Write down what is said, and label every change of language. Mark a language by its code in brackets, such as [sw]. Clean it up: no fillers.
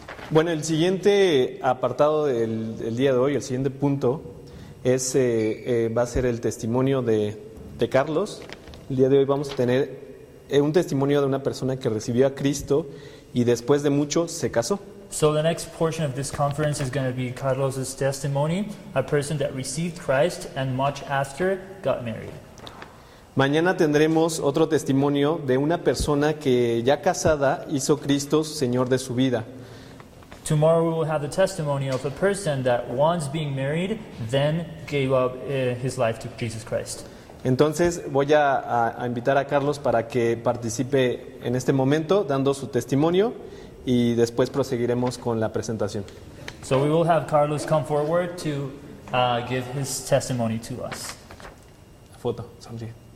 [es] Bueno, el siguiente apartado del día de hoy, el siguiente punto, va a ser el testimonio de Carlos. El día de hoy vamos a tener un testimonio de una persona que recibió a Cristo y después de mucho se casó. [en] So the next portion of this conference is going to be Carlos's testimony, a person that received Christ and much after got married. [es] Mañana tendremos otro testimonio de una persona que ya casada hizo Cristo Señor de su vida. [en] Tomorrow we will have the testimony of a person that once being married, then gave up his life to Jesus Christ. [es] Entonces voy a invitar a Carlos para que participe en este momento dando su testimonio y después proseguiremos con la presentación. [en] So we will have Carlos come forward to give his testimony to us. [es] Foto, sonríe.